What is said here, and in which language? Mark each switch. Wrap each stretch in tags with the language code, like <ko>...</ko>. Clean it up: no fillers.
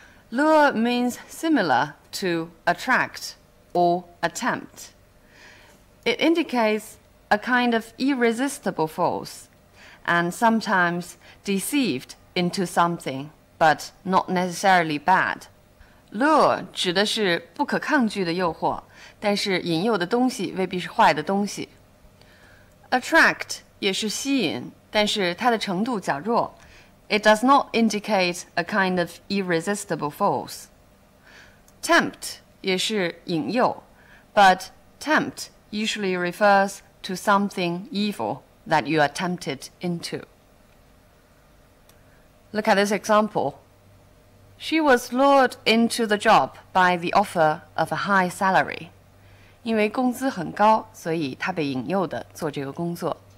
<en>Lure means similar to attract or attempt. It indicates a kind of irresistible force and sometimes deceived into something, but not necessarily bad.</en> <zh>Lure 指的是不可抗拒的诱惑，但是引诱的东西未必是坏的东西。 Attract 也是吸引，但是它的程度较弱。</zh> <en>It does not indicate a kind of irresistible force. Tempt</en> <zh>也是引诱，</zh> <en>but tempt usually refers to something evil that you are tempted into. Look at this example. She was lured into the job by the offer of a high salary.</en> <zh>因为工资很高，所以她被引诱的做这个工作。</zh>